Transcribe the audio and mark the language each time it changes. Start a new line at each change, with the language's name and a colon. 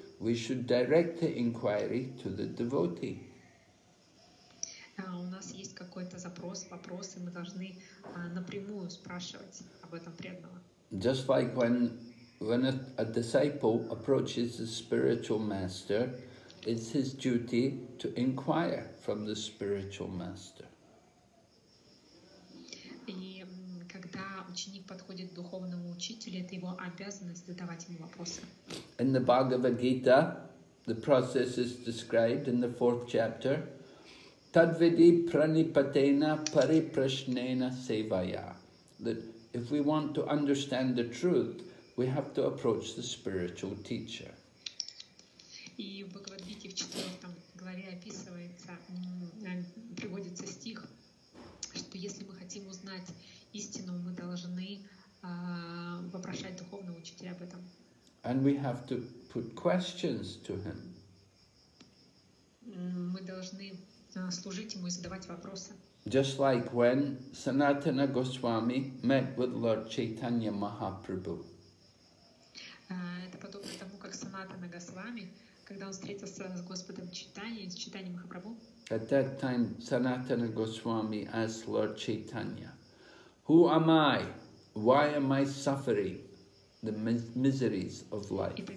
English: We should direct the inquiry to the devotee.
Russian: У нас есть какой-то запрос, вопрос, и мы должны напрямую спрашивать об этом преданного.
English: Just like when a disciple approaches the spiritual master, it's his duty to inquire from the spiritual master.
Russian: И когда ученик подходит к духовному учителю, это его обязанность задавать ему вопросы.
English: In the Bhagavad Gita, the process is described in the fourth chapter.
Sanskrit: Tadvidi pranipatena pariprasnena sevaya.
English: That if we want to understand the truth, we have to approach the spiritual teacher.
Russian: И в Бхагавад-гите в четвертом главе описывается, приводится стих, что если мы хотим узнать истину, мы должны вопрошать духовного учителя об этом.
English: And we have to put questions to him.
Russian: Мы должны служить ему и задавать вопросы.
English: Just like when Sanatana Goswami met with Lord Chaitanya Mahaprabhu.
Russian: Это подобно тому, как Санатана Госвами, когда он встретился с Господом Чайтаньей, с Чайтаньей Махапрабху.
English: At that time, Sanatana Goswami asked Lord Chaitanya, who am I? Why am I suffering the miseries of life?